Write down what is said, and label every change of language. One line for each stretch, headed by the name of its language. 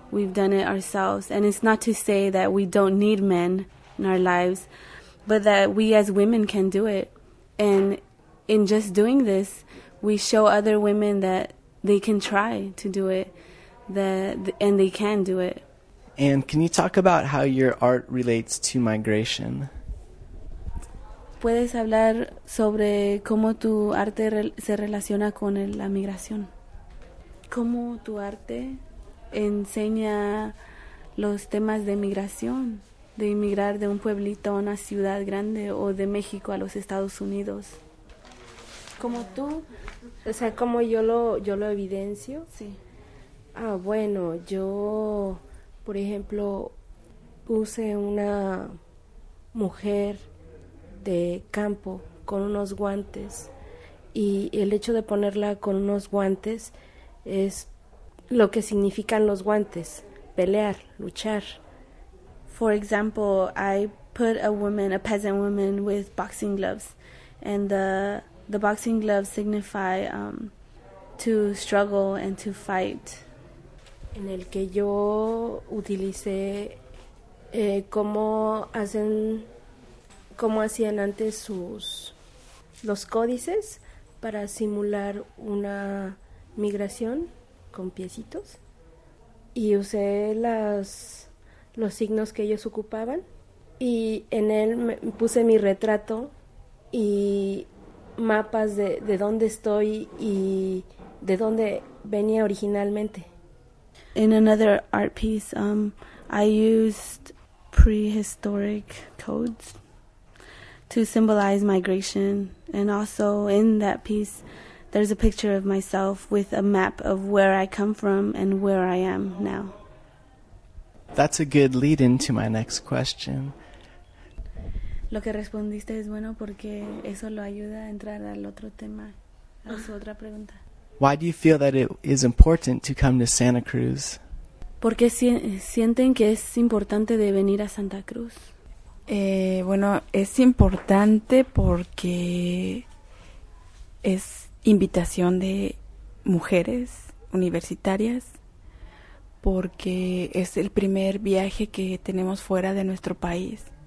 English: We've done it ourselves. And it's not to say that we don't need men in our lives, but that we as women can do it. And in just doing this, we show other women that they can try to do it, and they can do it. And can you talk about how your art relates to migration?
Spanish: ¿Puedes hablar sobre cómo tu arte se relaciona con la migración? ¿Cómo tu arte enseña los temas de migración, de emigrar de un pueblito a una ciudad grande o de México a los Estados Unidos? ¿Cómo tú? O sea, ¿cómo yo lo evidencio? Sí. Ah, bueno, yo, por ejemplo, puse una mujer de campo con unos guantes, y el hecho de ponerla con unos guantes es lo que significan los guantes: pelear, luchar.
English: For example, I put a peasant woman with boxing gloves, and the boxing gloves signify to struggle and to fight.
Spanish: En el que yo utilicé cómo hacían antes los códices para simular una migración con piecitos, y usé los signos que ellos ocupaban, y en él puse mi retrato y mapas de dónde estoy y de dónde venía originalmente.
English: In another art piece, I used prehistoric codes to symbolize migration. And also in that piece, there's a picture of myself with a map of where I come from and where I am now. That's a good lead into my next question.
Spanish: Lo que respondiste es bueno porque eso lo ayuda a entrar al otro tema, a su otra pregunta.
English: Why do you feel that it is important to come to Santa Cruz?
Spanish: Porque sienten que es importante de venir a Santa Cruz. Bueno, es importante porque es invitación de mujeres universitarias, porque es el primer viaje que tenemos fuera de nuestro país.